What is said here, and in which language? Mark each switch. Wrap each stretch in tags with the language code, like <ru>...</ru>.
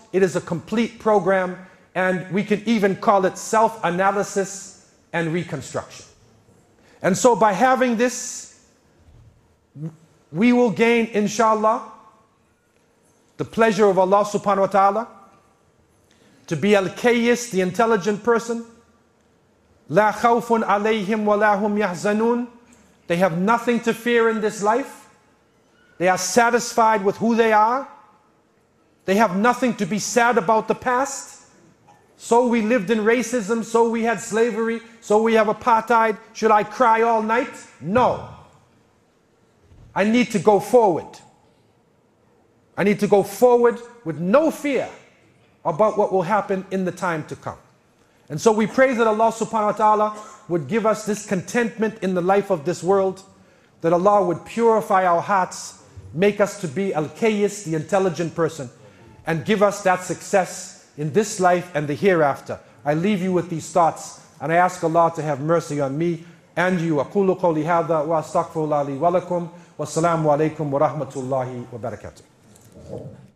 <en>It is a complete program, and we can even call it self-analysis and reconstruction. And so by having this, we will gain, inshallah, the pleasure of Allah subhanahu wa ta'ala, to be al-kayyis, the intelligent person.</en> <ar>لا خوف عليهم ولا هم يحزنون.</ar> <en>They have nothing to fear in this life. They are satisfied with who they are. They have nothing to be sad about the past. So we lived in racism, so we had slavery, so we have apartheid. Should I cry all night? No. I need to go forward. I need to go forward with no fear about what will happen in the time to come. And so we pray that Allah subhanahu wa ta'ala would give us this contentment in the life of this world, that Allah would purify our hearts, make us to be al-kayyis, the intelligent person, and give us that success in this life and the hereafter. I leave you with these thoughts, and I ask Allah to have mercy on me and you.</en> <ar>أَقُولُ قَوْلِ هَذَا وَأَسْتَغْفِرُ اللَّهَ لِي وَلَكُمْ وَالسَّلَامُ عَلَيْكُمْ وَرَحْمَةُ اللَّهِ وَبَرَكَاتُهُ.</ar> <en>Thank you.</en>